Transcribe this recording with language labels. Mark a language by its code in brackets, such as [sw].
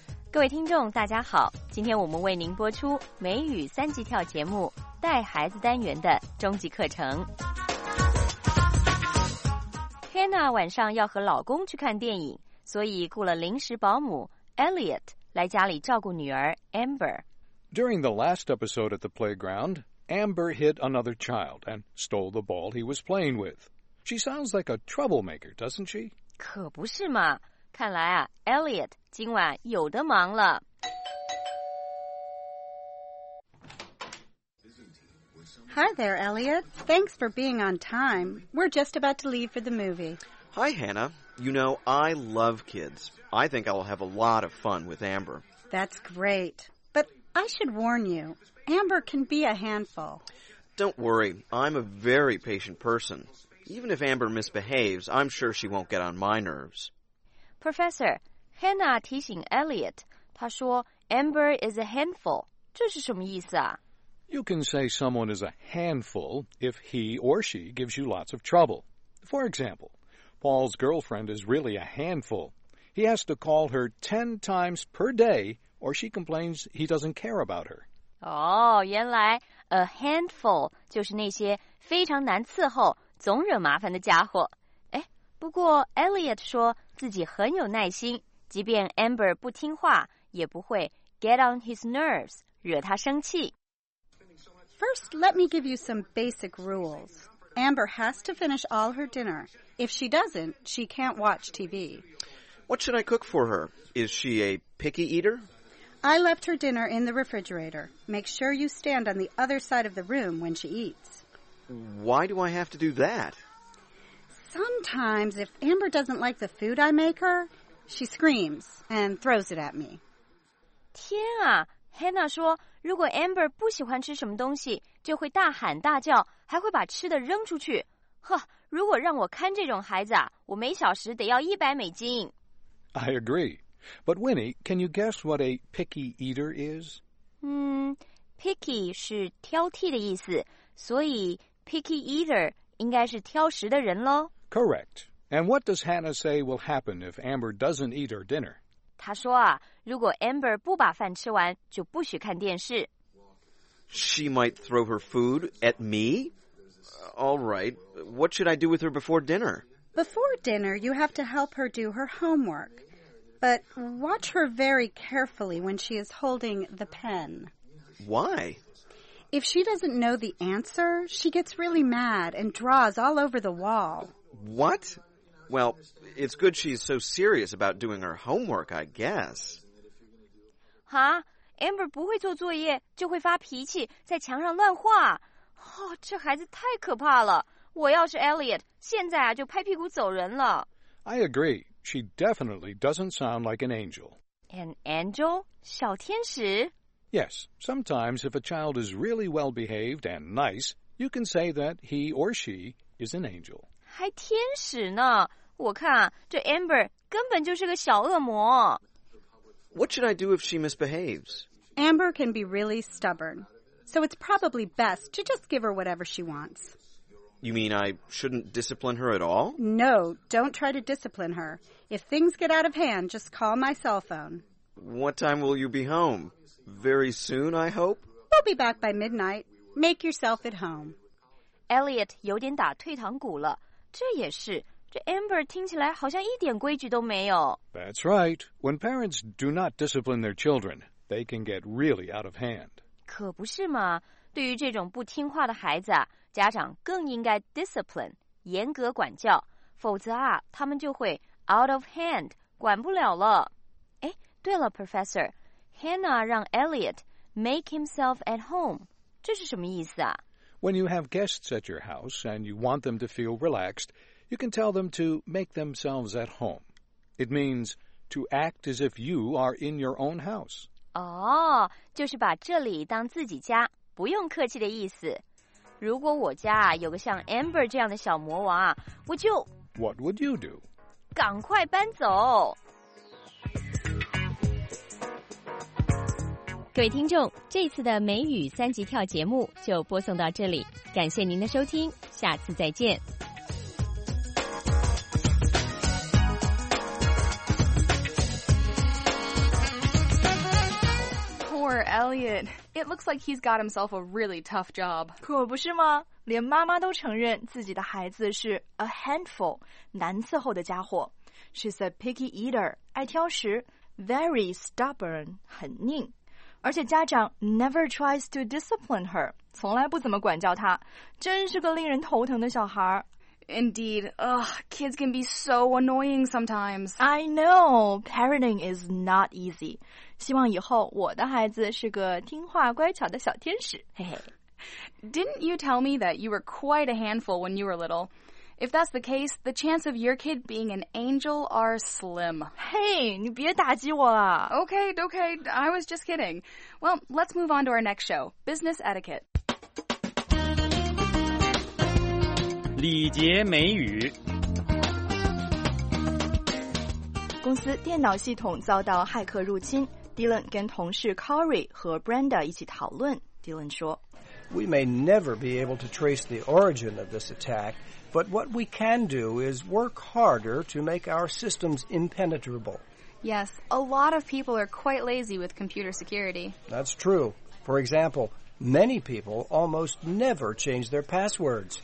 [zh] 各位听众，大家好，今天我们为您播出美语三级跳节目带孩子单元的终极课程。 Hannah 晚上要和老公去看电影，所以雇了临时保姆 Elliot 来家里照顾女儿 Amber。 [en] During the last episode at the playground, Amber hit another child and stole the ball he was playing with. She sounds like a troublemaker, doesn't she? [zh] 可不是嘛，看来啊 ，Elliot 今晚有的忙了。 [en] Hi there, Elliot. Thanks for being on time. We're just about to leave for the movie. Hi, Hannah. You know, I love kids. I think I will have a lot of fun with Amber. That's great. I should warn you, Amber can be a handful. Don't worry, I'm a very patient person. Even if Amber misbehaves, I'm sure she won't get on my nerves. [zh] Professor, Hannah 提醒 Elliot, 她说 [en] Amber is a handful. [zh] 这是什么意思啊? [en] You can say someone is a handful if he or she gives you lots of trouble. For example, Paul's girlfriend is really a handful. He has to call her 10 times per day,Or she complains he doesn't care about her. [zh] Oh, 原来 [en] a handful [zh] 就是那些非常难伺候、总惹麻烦的家伙。哎，不过 Elliot 说自己很有耐心，即便 Amber 不听话，也不会 [en] get on his nerves [zh] 惹他生气。 [en] First, let me give you some basic rules. Amber has to finish all her dinner. If she doesn't, she can't watch TV. What should I cook for her? Is she a picky eater? I left her dinner in the refrigerator. Make sure you stand on the other side of the room when she eats. Why do I have to do that? Sometimes if Amber doesn't like the food I make her, she screams and throws it at me. [zh] 天啊 ,Hannah 说如果 Amber 不喜欢吃什么东西就会大喊大叫还会把吃的扔出去。呵如果让我看这种孩子啊我每小时得要$100。 [en] I agree. But Winnie, can you guess what a picky eater is? [zh] Picky 是挑剔的意思，所以 picky eater 应该是挑食的人咯。 [en] Correct. And what does Hannah say will happen if Amber doesn't eat her dinner? [zh] 她说啊，如果 Amber 不把饭吃完，就不许看电视。 [en] She might throw her food at me? All right. What should I do with her before dinner? Before dinner, you have to help her do her homework. But watch her very carefully when she is holding the pen. Why? If she doesn't know the answer, she gets really mad and draws all over the wall. What? Well, it's good she's so serious about doing her homework, I guess. Huh? [zh] Amber 不会做作业就会发脾气在墙上乱画。哦，这孩子太可怕了。我要是 Elliot, 现在啊就拍屁股走人了。 [en] I agree. She definitely doesn't sound like an angel. An angel? [zh] 小天使? [en] Yes. Sometimes if a child is really well behaved and nice, you can say that he or she is an angel. [zh] 还天使呢? 我看这 Amber 根本就是个小恶魔。 [en] What should I do if she misbehaves? Amber can be really stubborn, so it's probably best to just give her whatever she wants. You mean I shouldn't discipline her at all? No, don't try to discipline her. If things get out of hand, just call my cell phone. What time will you be home? Very soon, I hope? We'll be back by midnight. Make yourself at home. [zh] Elliot 有点打退堂鼓了，这也是。这 Amber 听起来好像一点规矩都没有。 [en] That's right. When parents do not discipline their children, they can get really out of hand. [zh] 可不是嘛，对于这种不听话的孩子啊，家长更应该 discipline, 严格管教，否则啊，他们就会 [en] out of hand, [zh] 管不了了。哎，对了 ,Professor, Hannah 让 Elliot [en] make himself at home, [zh] 这是什么意思啊？ [en] When you have guests at your house and you want them to feel relaxed,You can tell them to make themselves at home. It means to act as if you are in your own house. [zh] 哦，就是把这里当自己家，不用客气的意思。如果我家有个像 Amber 这样的小魔王啊，我就 [en] What would you do? [zh] 赶快搬走。各位听众，这次的美语三级跳节目就播送到这里，感谢您的收听，下次再见。 [en] Poor Elliot. It looks like he's got himself a really tough job. [zh] 可不是吗？连妈妈都承认自己的孩子是 [en] a handful, [zh] 难伺候的家伙。 [en] She's a picky eater, [zh] 爱挑食。 [en] Very stubborn, [zh] 很拧。而且家长 [en] never tries to discipline her, [zh] 从来不怎么管教她。真是个令人头疼的小孩。 [en] Indeed. Ugh, kids can be so annoying sometimes. I know. Parenting is not easy. [zh] 希望以后我的孩子是个听话乖巧的小天使。嘿嘿。 [en] Didn't you tell me that you were quite a handful when you were little? If that's the case, the chance of your kid being an angel are slim. [zh] Hey, 你别打击我了。 [en] Okay, I was just kidding. Well, let's move on to our next show, Business Etiquette. [zh] 礼节美语。公司电脑系统遭到骇客入侵， Dylan 跟同事 Corey 和 Brenda 一起讨论。 Dylan 说， [en] We may never be able to trace the origin of this attack, but what we can do is work harder to make our systems impenetrable. Yes, a lot of people are quite lazy with computer security. That's true. For example,Many people almost never change their passwords.